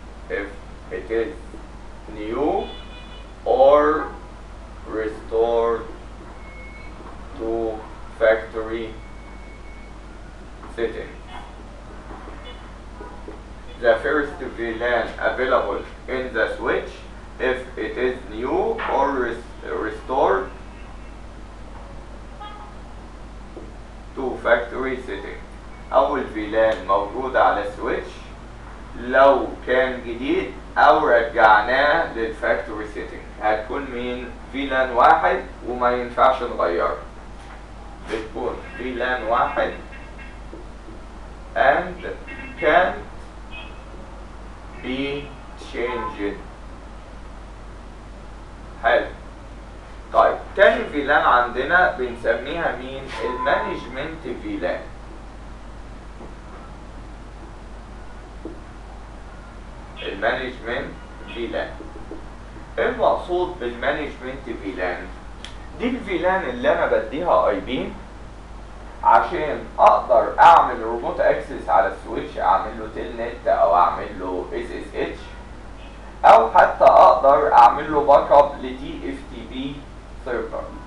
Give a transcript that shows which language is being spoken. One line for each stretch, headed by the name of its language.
English: If it is new or restored to factory setting. The first VLAN available in the switch if it is new or restored to factory setting.
Arabic: أول VLAN موجود على switch لو كان جديد أو رجعناه للفاكتوري سيتنج، هتكون مين؟ VLAN واحد وما ينفعش نغيره. بتكون VLAN واحد
English: and can be changed.
Arabic: حلو. طيب تاني فيلان عندنا بنسميها مين؟ المانجمنت فيلان.
English: management VLAN.
Arabic: المقصود بالمانجمنت VLAN دي الفيلان اللي انا بديها اي بي عشان اقدر اعمل روبوت اكسس على السويتش، اعمل له تيلنت او اعمل له اس اس اتش، او حتى اقدر اعمل له باك اب لتي اف تي بي سيرفر.